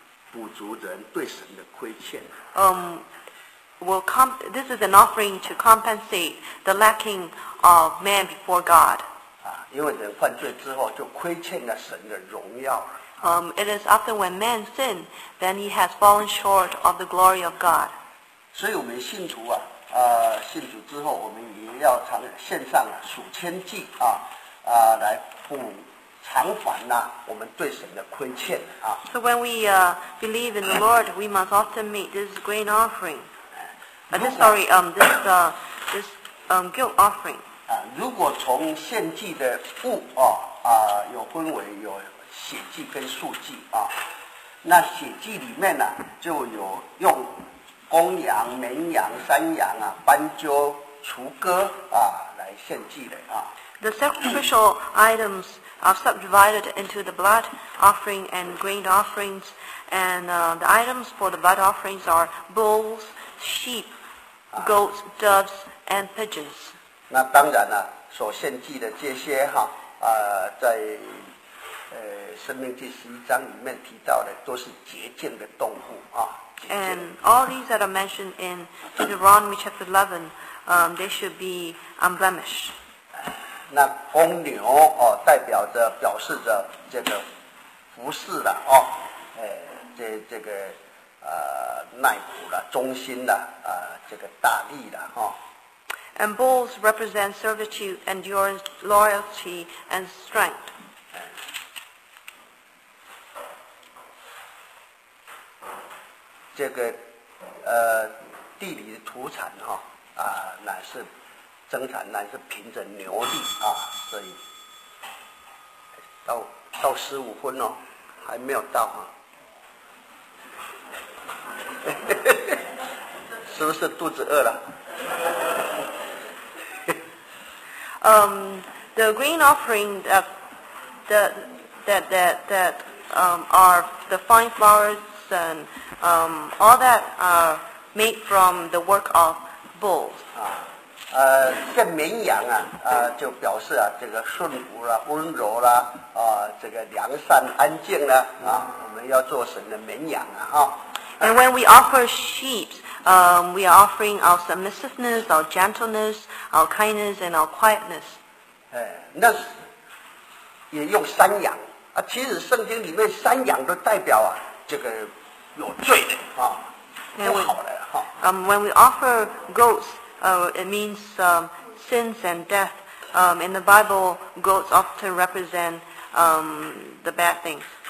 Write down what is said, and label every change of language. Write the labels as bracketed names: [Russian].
[Chinese] 补足人对神的亏欠。 [English] This is an offering to compensate the lacking of man before God. [Chinese] 因为人犯罪之后就亏欠了神的荣耀。 [English] It is often when man sin, then he has fallen short of the glory of God. [Chinese] 所以我们信徒啊，信主之后，我们也要常献上赎愆祭啊。来补偿还呐、我们对神的亏欠啊。 [English] So when we believe in the Lord, we must often make this grain offering. Guilt offering. [Chinese] 如果从献祭的物有分为有血祭跟素祭啊，那血祭里面呢、就有用公羊、绵羊、山羊啊，斑鸠、雏鸽啊，来献祭的啊。 [English] The sacrificial items are subdivided into the blood offering and grain offerings, and the items for the blood offerings are bulls, sheep, goats, doves, and pigeons. [Chinese] 那当然了、啊，所献祭的这些哈、啊，在生命记十一章里面提到的，都是洁净的动物啊。 [English] And all these that are mentioned in Deuteronomy chapter 11, they should be unblemished. [Chinese] 那公牛哦，代表着表示着这个服侍的哦，这个耐苦的、忠心的这个大力的哈、哦。 [English] And bulls represent servitude, endurance, loyalty, and strength. [Chinese] 这个地里的土产哈、哦、乃是增产，乃是凭着牛力啊，所以到十五分哦，还没有到啊，是不是肚子饿了？ [English] The grain offering that are the fine flours and all that are made from the work of bulls. [Chinese] 这绵羊啊，就表示啊，这个顺服啦、啊，温柔啦、啊，这个良善、安静啦、啊，我们要做神的绵羊啊，哈。 [English] And when we offer sheep, we are offering our submissiveness, our gentleness, our kindness, and our quietness. [Chinese] 那也用山羊啊，其实圣经里面山羊都代表啊，这个有罪的啊，不好的哈。 [English] When we offer goats, it means sins and death. In the Bible, goats often represent the bad things.